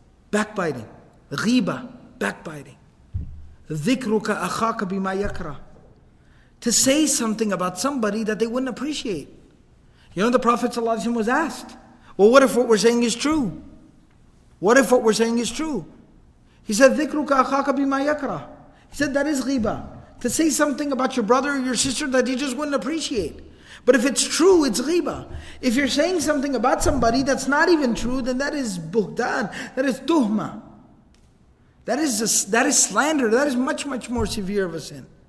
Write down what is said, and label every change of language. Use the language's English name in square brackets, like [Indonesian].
[English] Backbiting. Ghiba. Backbiting. [Arabic] Dhikruka akhaka bima yakra. [English] To say something about somebody that they wouldn't appreciate. You know, the Prophet ﷺ was asked, Well, what if what we're saying is true? What if what we're saying is true? [Arabic] He said, ذِكْرُكَ أَخَاكَ بِمَا يَكْرَهُ. [English] He said, that is ghiba. To say something about your brother or your sister that he just wouldn't appreciate. But if it's true, it's ghiba. If you're saying something about somebody that's not even true, then that is buhtan. That is tuhma. That is slander. That is much, much more severe of a sin.